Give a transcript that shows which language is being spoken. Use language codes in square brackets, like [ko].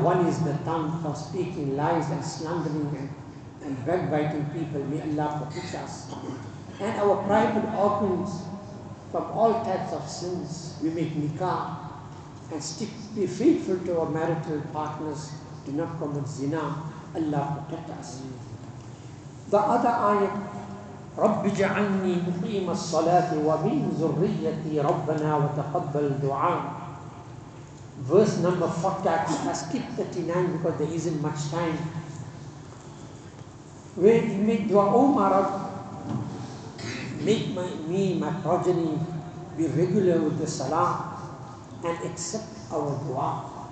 [en] One is the tongue for speaking lies and slandering and backbiting people. May Allah protect us. And our private organs from all types of sins. We make nikah and stick, be faithful to our marital partners. Do not commit zina. Allah protect us. The other ayat, [ar] رَبِّ جَعَلْنِي مُقِيمَ الصَّلَاةِ وَمِنْ ذُرِّيَّتِي رَبَّنَا وَتَقَبَّلْ دُعَا. [en] Verse number 40, I skip 39 because there isn't much time. Where he made dua, O my Rabb, make my progeny be regular with the salah and accept our dua.